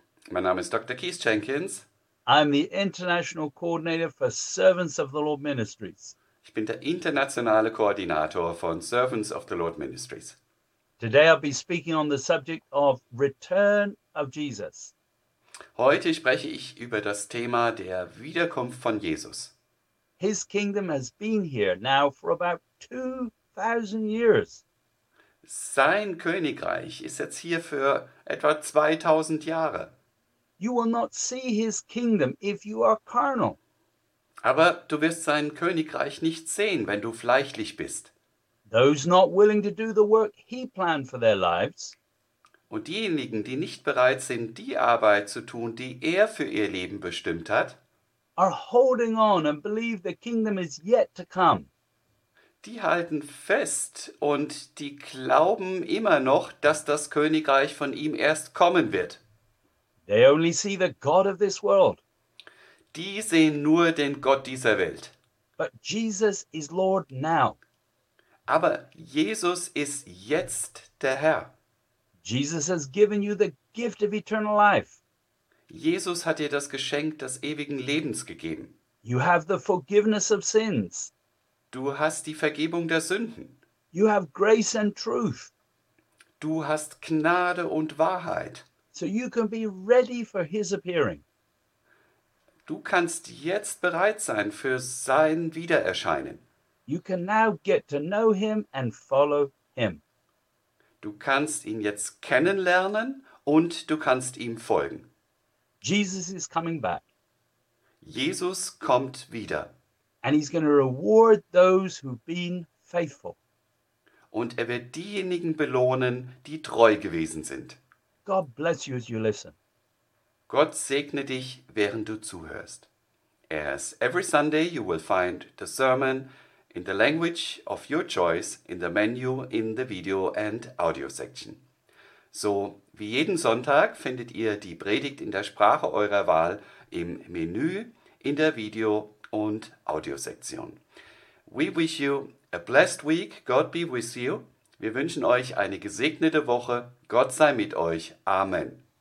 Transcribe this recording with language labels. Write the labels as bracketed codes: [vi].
[de] Mein Name ist Dr. Keith Jenkins. [en] I'm the International Coordinator for Servants of the Lord Ministries. [de] Ich bin der internationale Koordinator von Servants of the Lord Ministries. [en] Today I'll be speaking on the subject of Return of Jesus. [de] Heute spreche ich über das Thema der Wiederkunft von Jesus. [en] His kingdom has been here now for about 2,000 years. [de] Sein Königreich ist jetzt hier für etwa 2,000 Jahre. [en] You will not see his kingdom if you are carnal. [de] Aber du wirst sein Königreich nicht sehen, wenn du fleischlich bist. [en] Those not willing to do the work he planned for their lives. [de] Und diejenigen, die nicht bereit sind, die Arbeit zu tun, die er für ihr Leben bestimmt hat, [en] are holding on and believe the kingdom is yet to come. [de] Die halten fest und die glauben immer noch, dass das Königreich von ihm erst kommen wird. [en] They only see the God of this world. [de] Die sehen nur den Gott dieser Welt. [en] But Jesus is Lord now. [de] Aber Jesus ist jetzt der Herr. [en] Jesus has given you the gift of eternal life. [de] Jesus hat dir das Geschenk des ewigen Lebens gegeben. [en] You have the forgiveness of sins. [de] Du hast die Vergebung der Sünden. [en] You have grace and truth. [de] Du hast Gnade und Wahrheit. [en] So you can be ready for his appearing. [de] Du kannst jetzt bereit sein für sein Wiedererscheinen. [en] You can now get to know him and follow him. [de] Du kannst ihn jetzt kennenlernen und du kannst ihm folgen. [en] Jesus is coming back. [de] Jesus kommt wieder. [en] And he's going to reward those who've been faithful. [de] Und er wird diejenigen belohnen, die treu gewesen sind. [en] God bless you as you listen. [de] Gott segne dich, während du zuhörst. [en] As every Sunday you will find the sermon in the language of your choice in the menu in the video and audio section. [de] So wie jeden Sonntag findet ihr die Predigt in der Sprache eurer Wahl im Menü, in der Video- und Audiosektion. [en] We wish you a blessed week. God be with you. [de] Wir wünschen euch eine gesegnete Woche. Gott sei mit euch. Amen.